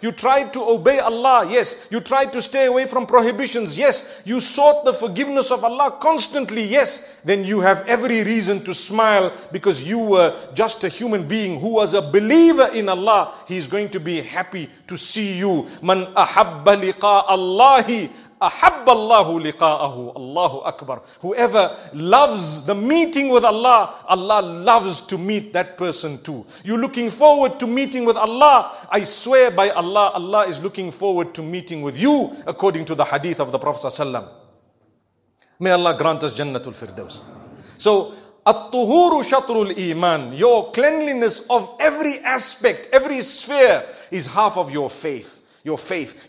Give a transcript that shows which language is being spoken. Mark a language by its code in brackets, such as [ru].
[en] You tried to obey Allah, yes. You tried to stay away from prohibitions, yes. You sought the forgiveness of Allah constantly, yes. Then you have every reason to smile because you were just a human being who was a believer in Allah. He's going to be happy to see you. [ar] Man ahabba liqa'a Allahi. أحب الله لقاءه الله أكبر. [en] Whoever loves the meeting with Allah, Allah loves to meet that person too. You're looking forward to meeting with Allah. I swear by Allah, Allah is looking forward to meeting with you according to the hadith of the Prophet ﷺ. May Allah grant us Jannatul Firdaus. So, [ar] At-tuhuru shatrul iman, [en] your cleanliness of every aspect, every sphere is half of your faith. Your faith.